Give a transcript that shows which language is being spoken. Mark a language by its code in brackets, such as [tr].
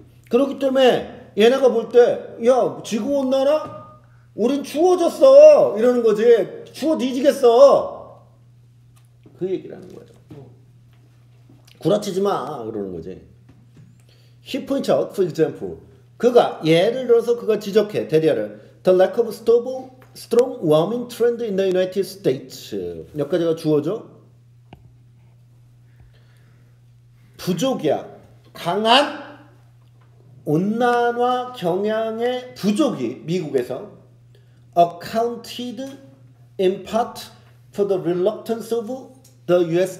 [ko] 그렇기 때문에 얘네가 볼 때 야 지구온난화? 우린 추워졌어! 이러는 거지. 추워 뒤지겠어! 그 얘기를 하는 거예요. 구라치지 마! 그러는 거지. [en] He points out, for example. [ko] 그가 예를 들어서 그가 지적해. 대디아를. [en] The lack of stable, strong warming trend in the United States. [ko] 몇 가지가 주어져? 부족이야. 강한 온난화 경향의 부족이 미국에서. [en] Accounted in part for the reluctance of the U.S.